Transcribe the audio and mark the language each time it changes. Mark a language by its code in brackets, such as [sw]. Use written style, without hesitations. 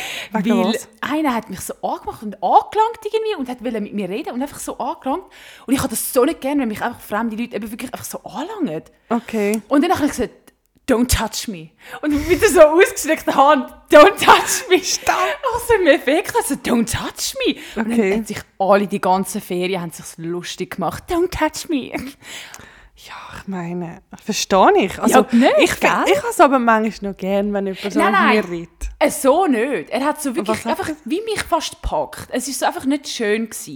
[de] Weil einer hat mich so angemacht und angelangt irgendwie und wollte mit mir reden und einfach so angelangt. Und ich habe das so nicht gerne, wenn mich einfach fremde Leute eben wirklich einfach so anlangen. Okay. Und dann habe ich gesagt, [en] don't touch me. [de] Und mit so ausgestreckter Hand, [en] don't touch me. [de] Stopp. Auch so im Effekt, also [en] don't touch me. [de] Okay. Und dann haben sich alle die ganzen Ferien haben sich lustig gemacht, [en] don't touch me. [de] Ja, ich meine, verstehe ich. Also, ja, nicht, ich kann es aber manchmal noch gerne, wenn jemand so mit mir redet. So nicht. Er hat so wirklich einfach wie mich fast gepackt. Es war so einfach nicht schön gewesen.